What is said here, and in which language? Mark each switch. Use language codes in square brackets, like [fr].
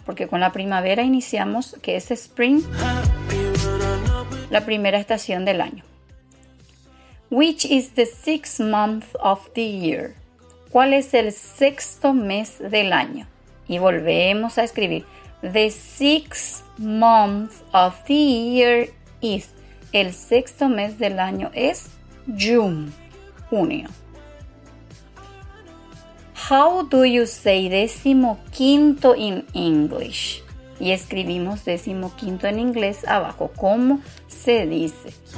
[es] Porque con la primavera iniciamos, que es spring, la primera estación del año. [en] Which is the sixth month of the year? [es] ¿Cuál es el sexto mes del año? Y volvemos a escribir. [en] The sixth month of the year is. [es] El sexto mes del año es June, junio. [en] How do you say décimo quinto in English? [es] Y escribimos décimo quinto en inglés abajo. ¿Cómo se dice?